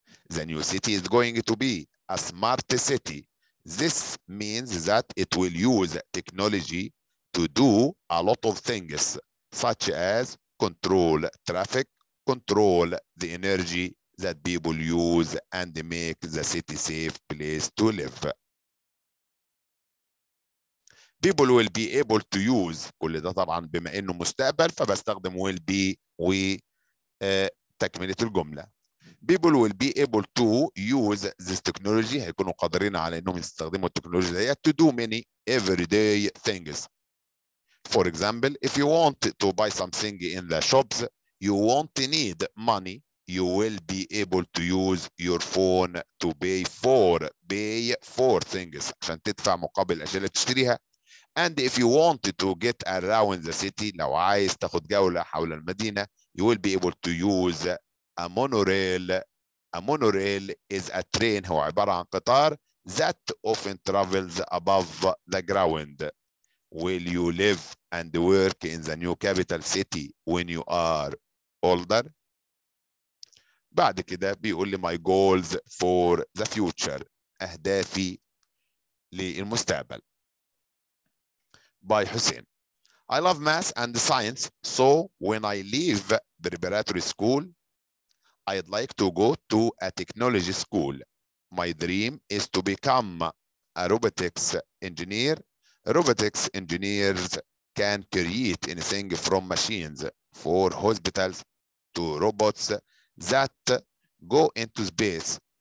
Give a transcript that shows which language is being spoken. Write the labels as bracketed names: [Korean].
[English] The new city is going to be a smart city. This means that it will use technology to do a lot of things, such as control traffic, control the energy that people use, and make the city a safe place to live. People will be able to use [Arabic] كل ده طبعا بما انه مستقبل فبستخدم will be وتكملة الجملة. [English] People will be able to use this technology, [Arabic] هيكونوا قادرين على انهم يستخدموا التكنولوجيا دي [English] to do many everyday things. For example, if you want to buy something in the shops, you won't need money. You will be able to use your phone to pay for things [Arabic] عشان تدفع مقابل الاشياء اللي تشتريها. [English] And if you want to get around the city, [Arabic] لو عايز تاخد جولة حول المدينة, [English] you will be able to use a monorail. A monorail is a train, [Arabic] هو عبارة عن قطار, [English] that often travels above the ground. Will you live and work in the new capital city when you are older? [Arabic] بعد كده بيقول لي [English] my goals for the future, [Arabic] أهدافي للمستقبل. [English] By Hussein. I love math and science, so when I leave preparatory school, I'd like to go to a technology school. My dream is to become a robotics engineer. Robotics engineers can create anything from machines for hospitals to robots that go into space.